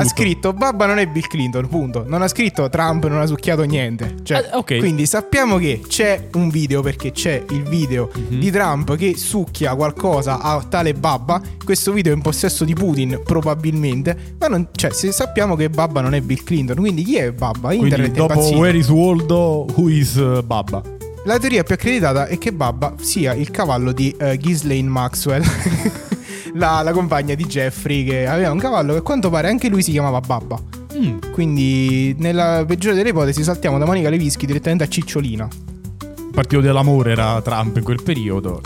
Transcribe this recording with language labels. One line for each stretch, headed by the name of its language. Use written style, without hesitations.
Italian: Ha scritto: babba non è Bill Clinton, punto. Non ha scritto: Trump non ha succhiato niente, cioè, okay. Quindi sappiamo che c'è un video, perché c'è il video mm-hmm. di Trump che succhia qualcosa a tale babba. Questo video è in possesso di Putin, probabilmente. Ma non, cioè, se sappiamo che babba non è Bill Clinton, quindi chi è babba? Quindi dopo impazzito.
English: Where is Waldo, who is Babba?
Italian: La teoria più accreditata è che Babba sia il cavallo di Ghislaine Maxwell, la compagna di Jeffrey, che aveva un cavallo che a quanto pare anche lui si chiamava Babba. Quindi nella peggiore delle ipotesi saltiamo da Monica Lewinsky direttamente a Cicciolina. Partito dell'amore era Trump in quel periodo.